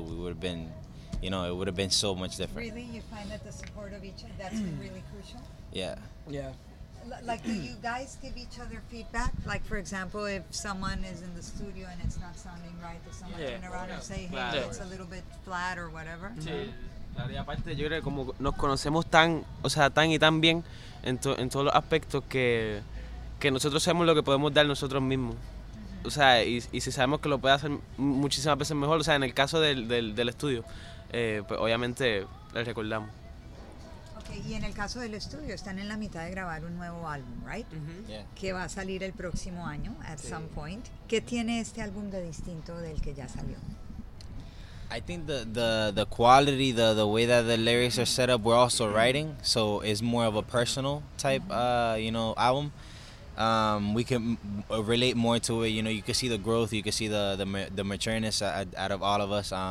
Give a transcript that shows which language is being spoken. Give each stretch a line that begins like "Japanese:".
English: We would have been, you know, it would have been so much different. Really? You find that the support of each other, that's been really crucial? Yeah. Yeah. Like, do you guys give each other feedback? Like, for example, if someone is in the studio and it's not sounding right, does someone turn around and say, hey, it's a little bit flat or whatever?
Spanish: Sí. Claro, y aparte, yo creo que como nos conocemos tan y tan bien en todos los aspectos que nosotros sabemos lo que podemos dar nosotros mismos. O sea, y si sabemos que lo puede hacer muchísimas veces mejor, o sea, en el caso del estudio, pues obviamente le recordamos. Okay, y en el caso del estudio, están en la mitad de grabar un nuevo álbum, right?
English: Mm-hmm. Yeah.
Spanish: Que va a salir el próximo año,
English: at some point.
Spanish: ¿Qué tiene este álbum de distinto del que ya salió?
English: I think the quality, the way that the lyrics are set up, we're also writing, so it's more of a personal type, you know, album. We can relate more to it. You know, you can see the growth, you can see the matureness out of all of us.